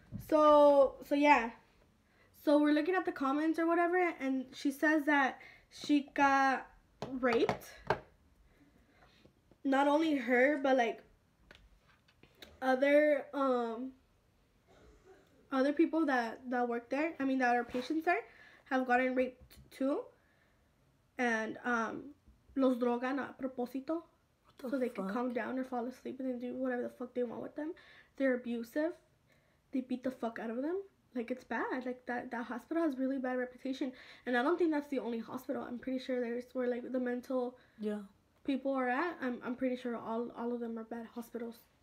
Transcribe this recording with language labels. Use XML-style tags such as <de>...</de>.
<en>So yeah. So we're looking at the comments or whatever, and she says that she got raped. Not only her, but like other people that work there, I mean that are patients there, have gotten raped too.</en> <es>And los drogan a propósito.</es> <en>So they can calm down or fall asleep and then do whatever the fuck they want with them. They're abusive. They beat the fuck out of them. Like, it's bad. Like, that hospital has really bad reputation. And I don't think that's the only hospital. I'm pretty sure there's where, like, the mental people are at. I'm pretty sure all of them are bad hospitals.</en>